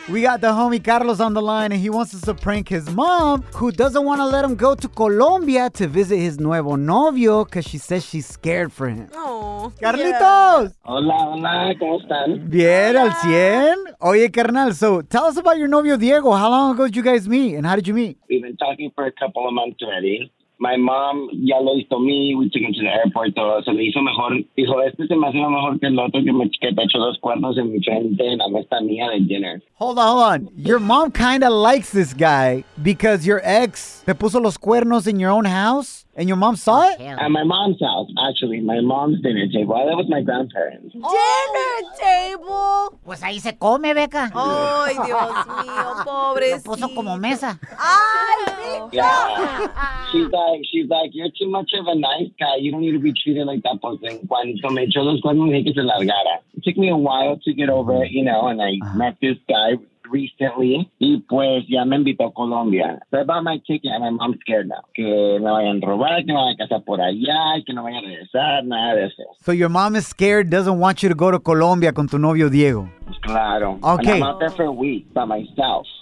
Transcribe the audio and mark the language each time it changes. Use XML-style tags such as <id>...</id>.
<en>We got the homie Carlos on the line, and he wants us to prank his mom, who doesn't want to let him go to Colombia to visit his</en> <es>nuevo novio</es> <en>because she says she's scared for him. Oh, Carlitos.</en> <es>Yeah. Hola, hola. ¿Cómo están? Bien, al cien. Oye, carnal,</es> <en>so tell us about your novio, Diego. How long ago did you guys meet, and how did you meet? We've been talking for a couple of months already. My mom,</en> <es>ya lo hizo me,</es> <en>we took him to the airport, todo.</en> <es>Se le hizo mejor, dijo, este se me hace mejor que el otro que me chiquete, echó dos cuernos en mi frente en la mesa mía de dinner.</es> <en>Hold on. Your mom kind of likes this guy because your ex</en> <es>te puso los cuernos</es> <en>in your own house and your mom saw it? At my mom's house, actually. My mom's dinner table. Well, that was my grandparents. Dinner table?</en> <es>Pues ahí se come, Beca. Ay, Dios mío, pobrecito. Lo puso como mesa. Ay, Beca.</es> <en>She's like, you're too much of a nice guy. You don't need to be treated like that.</en> <es>Pues en cuanto me echó los cuernos, dije que se largara.</es> <en>It took me a while to get over it, you know, and I met this guy recently.</en> <es>Y pues ya me invitó a Colombia.</es> <en>So I bought my ticket and my mom's scared now.</en> <es>Que me vayan a robar, que me vayan a casar por allá, que no vayan a regresar, nada de eso.</es> <en>So your mom is scared, doesn't want you to go to Colombia</en> <es>con tu novio Diego. Claro.</es> <en>Okay. And I'm out there for a week by myself.</en>